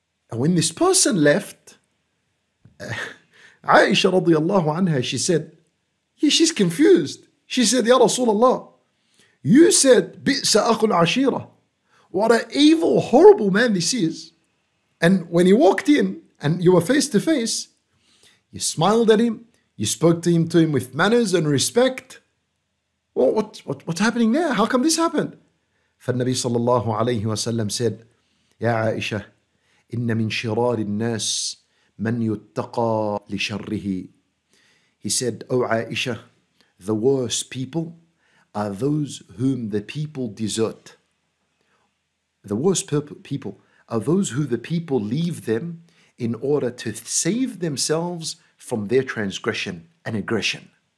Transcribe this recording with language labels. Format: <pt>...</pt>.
<en>And when this person left, Aisha radiallahu anha, she said, she's confused. She said, Ya Rasulullah, you said,</en> <ar>بِئْسَ أَخُ الْعَشِيرَةِ,</ar> <en>what an evil, horrible man this is. And when he walked in and you were face to face, you smiled at him, you spoke to him with manners and respect. Well, what's happening there? How come this happened?</en> <ar>فالنبي صلى الله عليه وسلم</ar> <en>said,</en> <ar>يا عائشة, إن من شرار الناس من يتقى لشره.</ar> <en>He said, O Aisha, the worst people are those whom the people desert. The worst people are those who the people leave them in order to save themselves from their transgression and aggression.</en>